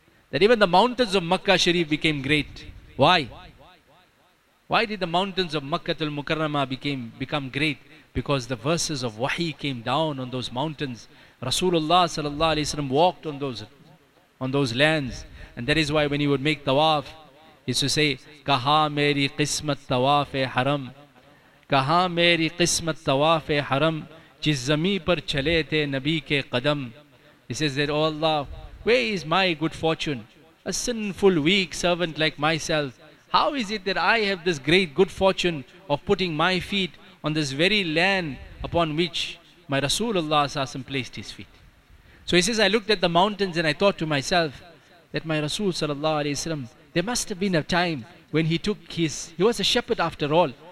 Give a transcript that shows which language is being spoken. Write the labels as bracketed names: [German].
[English] That even the mountains of Makkah Sharif became great. Why? Why did the mountains of Makkatul Mukarrama become great? Because the verses of Wahi came down on those mountains. Rasulullah sallallahu alayhi wa sallam walked on those lands. And that is why when he would make tawaf, he used to say, [Urdu] Kaha meri qismat tawaf e haram, کہاں میری قسمت طواف حرم جس زمین پر چلے تھے نبی کے قدم. [English] He says that, oh Allah, where is my good fortune? A sinful, weak servant like myself. How is it that I have this great good fortune of putting my feet on this very land upon which my Rasulullah s.a.w. placed his feet? So he says, I looked at the mountains and I thought to myself that my Rasul sallallahu alayhi wasallam, there must have been a time when he took his, he was a shepherd after all.